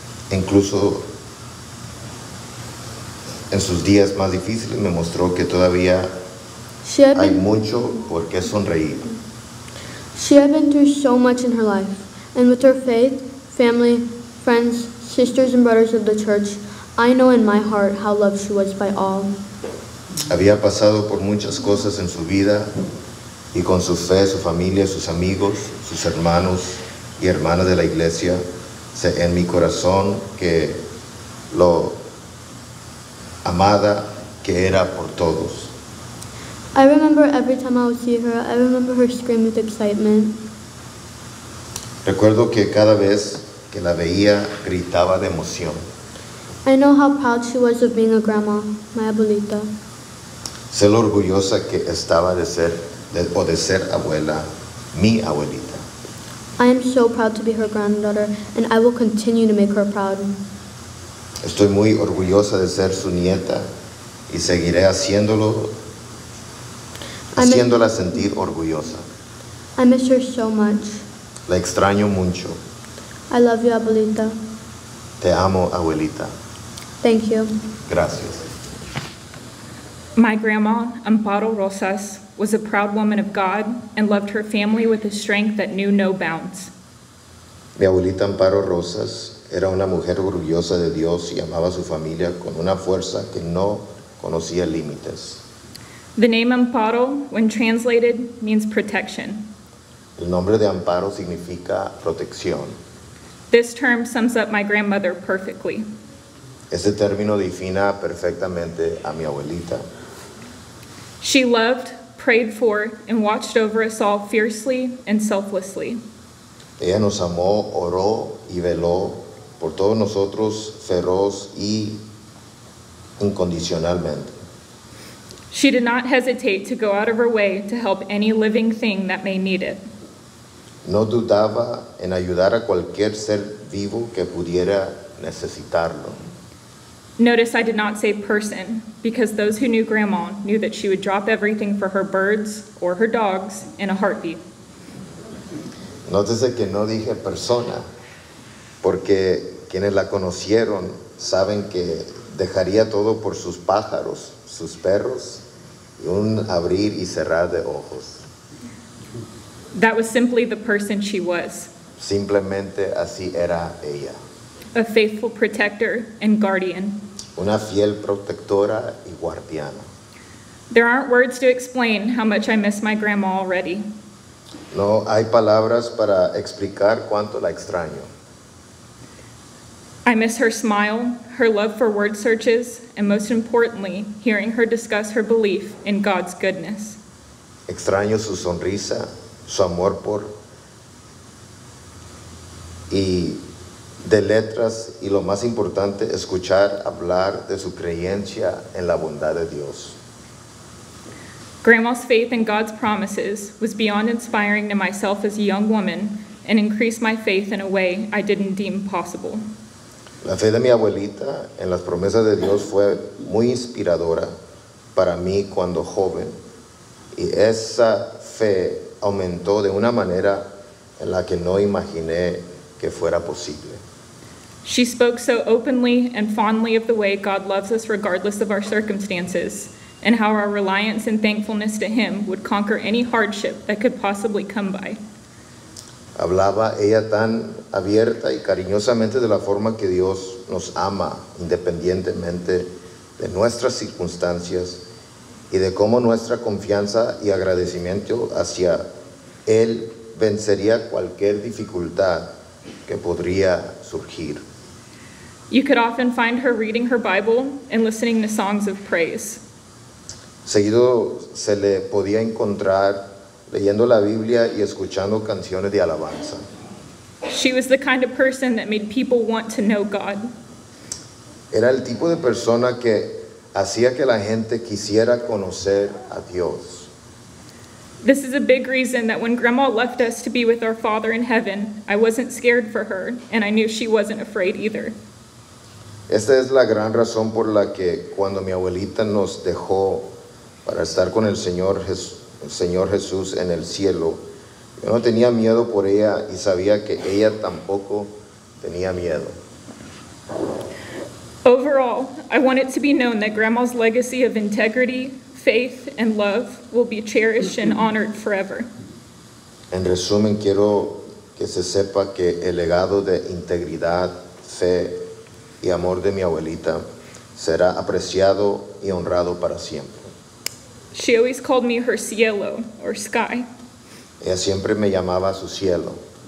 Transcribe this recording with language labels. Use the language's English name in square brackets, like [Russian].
[Spanish] Incluso en sus días más difíciles me mostró que todavía hay mucho por qué sonreír. [English] She had been through so much in her life, and with her faith, family, friends, sisters and brothers of the church, I know in my heart how loved she was by all. [Spanish] Había pasado por muchas cosas en su vida y con su fe, su familia, sus amigos, sus hermanos y hermanas de la iglesia, sé en mi corazón que lo amada que era por todos. [English] I remember every time I would see her, I remember her scream with excitement. [Spanish] Recuerdo que cada vez que la veía, gritaba de emoción. [English] I know how proud she was of being a grandma, my abuelita. [Spanish] Sé lo orgullosa que estaba de ser, de ser abuela, mi abuelita. [English] I am so proud to be her granddaughter, and I will continue to make her proud. [Spanish] Estoy muy orgullosa de ser su nieta, y seguiré haciéndolo, haciéndola sentir orgullosa. [English] I miss her so much. [Spanish] La extraño mucho. [English] I love you, abuelita. [Spanish] Te amo, abuelita. [English] Thank you. [Spanish] Gracias. [English] My grandma, Amparo Rosas, was a proud woman of God and loved her family with a strength that knew no bounds. [Spanish] Mi abuelita Amparo Rosas era una mujer orgullosa de Dios y amaba a su familia con una fuerza que no conocía límites. [English] The name Amparo, when translated, means protection. [Spanish] El nombre de Amparo significa protección. [English] This term sums up my grandmother perfectly. [Spanish] Ese término defina perfectamente a mi abuelita. [English] She loved, prayed for, and watched over us all fiercely and selflessly. [Spanish] Ella nos amó, oró y veló por todos nosotros feroz y incondicionalmente. [English] She did not hesitate to go out of her way to help any living thing that may need it. [Spanish] No dudaba en ayudar a cualquier ser vivo que pudiera necesitarlo. [English] Notice I did not say person, because those who knew Grandma knew that she would drop everything for her birds or her dogs in a heartbeat. [Spanish] Nótese que no dije persona, porque quienes la conocieron saben que dejaría todo por sus pájaros, sus perros, y un abrir y cerrar de ojos. [English] That was simply the person she was. [Spanish] Simplemente así era ella. [English] A faithful protector and guardian. [Spanish] Una fiel protectora y guardiana. [English] There aren't words to explain how much I miss my grandma already. [Spanish] No hay palabras para explicar cuánto la extraño. [English] I miss her smile, her love for word searches, and most importantly, hearing her discuss her belief in God's goodness. [Spanish] Extraño su sonrisa, su amor por y de letras y lo más importante, escuchar hablar de su creencia en la bondad de Dios. [English] Grandma's faith in God's promises was beyond inspiring to myself as a young woman and increased my faith in a way I didn't deem possible. [Spanish] La fe de mi abuelita en las promesas de Dios fue muy inspiradora para mí cuando joven, y esa fe aumentó de una manera en la que no imaginé que fuera posible. [English] She spoke so openly and fondly of the way God loves us regardless of our circumstances, and how our reliance and thankfulness to Him would conquer any hardship that could possibly come by. [Spanish] Hablaba ella tan abierta y cariñosamente de la forma que Dios nos ama independientemente de nuestras circunstancias, y de cómo nuestra confianza y agradecimiento hacia Él vencería cualquier dificultad que podría surgir. [English] You could often find her reading her Bible and listening to songs of praise. [Spanish] Seguido se le podía encontrar leyendo la Biblia y escuchando canciones de alabanza. [English] She was the kind of person that made people want to know God. [Spanish] Era el tipo de persona que hacía que la gente quisiera conocer a Dios. [English] This is a big reason that when Grandma left us to be with our Father in heaven, I wasn't scared for her, and I knew she wasn't afraid either. [Spanish] Esta es la gran razón por la que cuando mi abuelita nos dejó para estar con el Señor Jesús en el cielo, yo no tenía miedo por ella y sabía que ella tampoco tenía miedo. [English] Overall, I want it to be known that Grandma's legacy of integrity, faith, and love will be cherished and honored forever. [Spanish] En resumen, quiero que se sepa que el legado de integridad, fe, y amor de mi abuelita será apreciado y honrado para siempre. [English] She always called me her cielo, or sky. [Spanish] Ella siempre me llamaba su cielo.